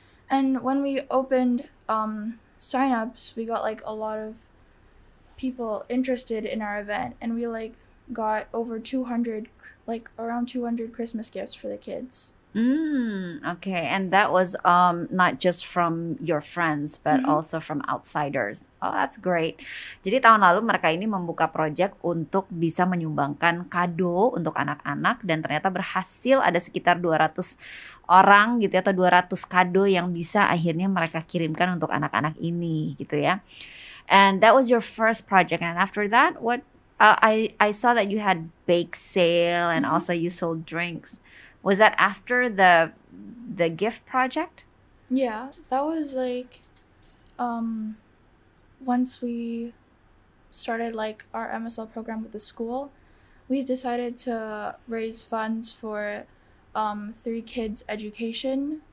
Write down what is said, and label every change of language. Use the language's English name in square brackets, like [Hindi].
[English] And when we opened signups, we got like a lot of people interested in our event, and we like got over 200, like around 200 Christmas gifts for the kids. Okay, and that was not just from your friends, but mm-hmm. also from outsiders. Oh, that's great. [Indonesian] Jadi tahun lalu mereka ini membuka project untuk bisa menyumbangkan kado untuk anak-anak, dan ternyata berhasil. Ada sekitar 200 orang gitu ya, atau 200 kado yang bisa akhirnya mereka kirimkan untuk anak-anak ini gitu ya. [English] And that was your first project, and after that, what I saw that you had bake sale and mm-hmm. also you sold drinks. Was that after the gift project? Yeah, that was like once we started like our MSL program with the school, we decided to raise funds for 3 kids' education.